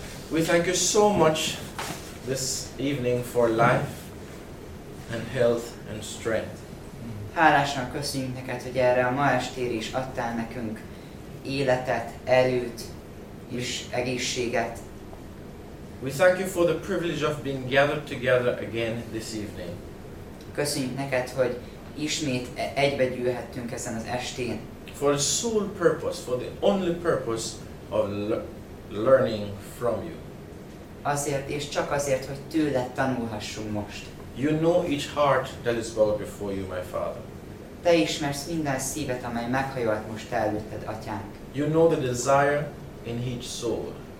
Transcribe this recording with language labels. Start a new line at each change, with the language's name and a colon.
English: We thank you so much this evening for life and health and strength.
Hungarian: Hálásan köszönjük neked, hogy erre a ma estére is adtál nekünk életet, erőt és egészséget.
English: We thank you for the privilege of being gathered together again this evening.
Hungarian: Köszönjük neked, hogy ismét egybe gyűlhettünk ezen az estén.
English: For the sole purpose, for the only purpose of learning from you.
Hungarian: Azért és csak azért, hogy tőled tanulhassunk most.
English: You know each heart that is bowed before you, my Father.
Hungarian: Te ismersz minden szívet, amely meghajolt most előtted, atyánk.
English: You know the desire in each soul.